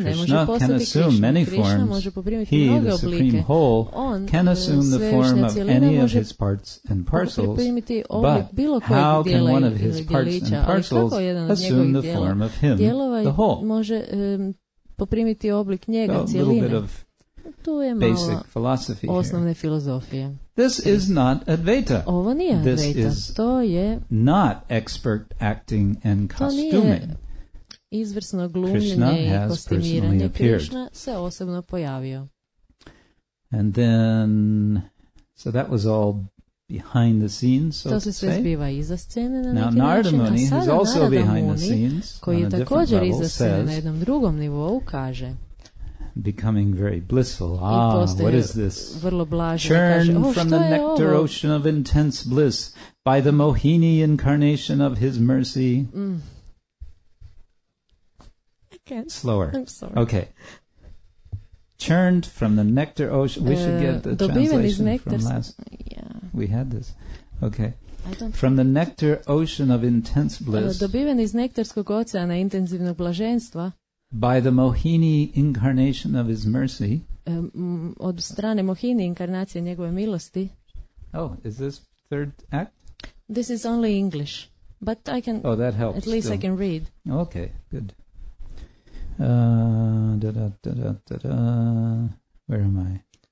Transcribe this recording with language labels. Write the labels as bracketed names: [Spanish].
[English] Krishna can assume many forms. He, the Supreme Whole, can assume the form of any of his parts and parcels, but how can one of his parts and parcels assume the form of him, the whole? [Croatian] poprimiti oblik njega, cjeline. Tu je malo osnovne filozofije. [English] This is not Advaita. [Croatian] Ovo nije Advaita. [English] This is [Croatian] to je [English] not expert acting and costuming. [Croatian] Izvrsno glumljenje i kostimiranje. Krishna se osobno pojavio. [English] And then, so that was all behind the scenes, so [Croatian] to se sve zbiva iza scene na neki način. [English] Now, Narada Muni, also behind the scenes, [Croatian] koji je također iza scene [English] says, [Croatian] na jednom drugom nivou, kaže [English] becoming very blissful. Ah, what is this? [Croatian] Vrlo blažno, [English] churn [Croatian] kaže, [English] from the nectar ocean of intense bliss by the Mohini incarnation of his mercy. I can't. Slower. I'm sorry. Okay. Churned from the nectar ocean. We should get the translation from last. Yeah. We had this. Okay. I don't from the nectar ocean of intense bliss. [Croatian] Dobiven iz nektarskog oceana intenzivnog blaženstva. [English] By the Mohini incarnation of his mercy. [Croatian] Od strane Mohini inkarnacije njegove milosti. [English] Oh, is this third act? This is only English. But I can. Oh, that helps. At least still. I can read. Okay, good. Where am I?